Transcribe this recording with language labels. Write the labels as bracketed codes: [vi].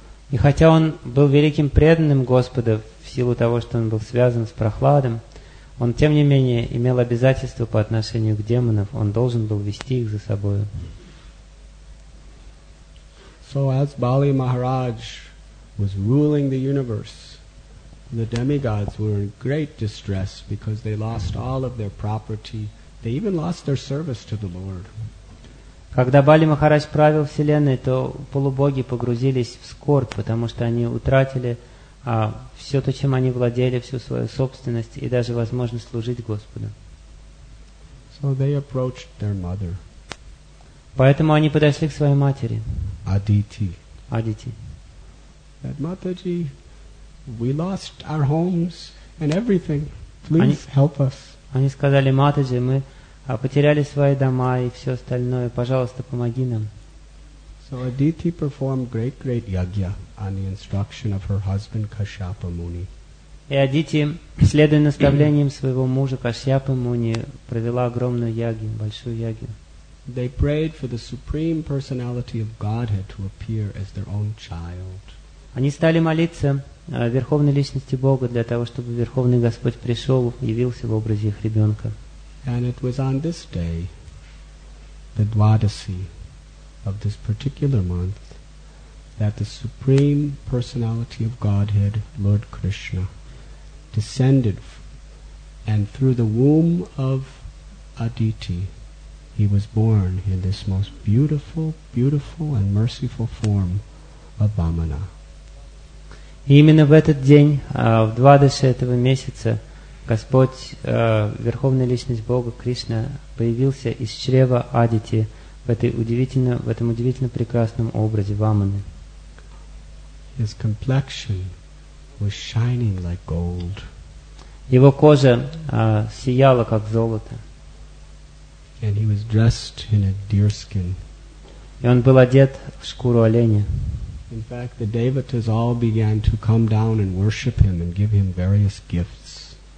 [ru] И хотя он был великим преданным Господа в силу того, что он был связан с Прохладом, он, тем не менее, имел обязательство по отношению к демонам. Он должен был вести их за собою. [en] So as Bali Maharaj was ruling the universe, the demigods were in great distress because they lost all of their property. They even lost their service to the Lord. [ru] Когда Бали Махарадж правил вселенной, то полубоги погрузились в скорбь, потому что они утратили все то, чем они владели, всю свою собственность и даже возможность служить Господу. [en] So they approached their mother. [ru] Поэтому они подошли к своей матери. Адити. Адити. [en] That Mataji, we lost our homes and everything. Please help us. [ru] Они сказали: Матаджи, мы потеряли свои дома и все остальное. Пожалуйста, помоги нам. [en] So Aditi performed great yagya on the instruction of her husband Kashyapa Muni. [ru] И Адити, следуя наставлениям своего мужа Кашьяпа Муни, провела огромную ягью, большую ягью. [en] They prayed for the supreme personality of Godhead to appear as their own child. [ru] Они стали молиться верховной личности Бога для того, чтобы верховный Господь пришел, явился в образе их ребенка. [en] And it was on this day, the Dvadasi of this particular month, that the Supreme Personality of Godhead, Lord Krishna, descended, and through the womb of Aditi, he was born in this most beautiful and merciful form of Vamana. [ru] Именно в этот день, в Двадаши этого месяца, Господь, Верховная Личность Бога, Кришна, появился из чрева Адити в этом удивительно прекрасном образе Ваманы. [en] His complexion was shining like gold. [ru] Его кожа сияла, как золото. [en] And he was dressed in a deerskin. [ru] И он был одет в шкуру оленя. [en] In fact, the devatas all began to come down and worship him and give him various gifts.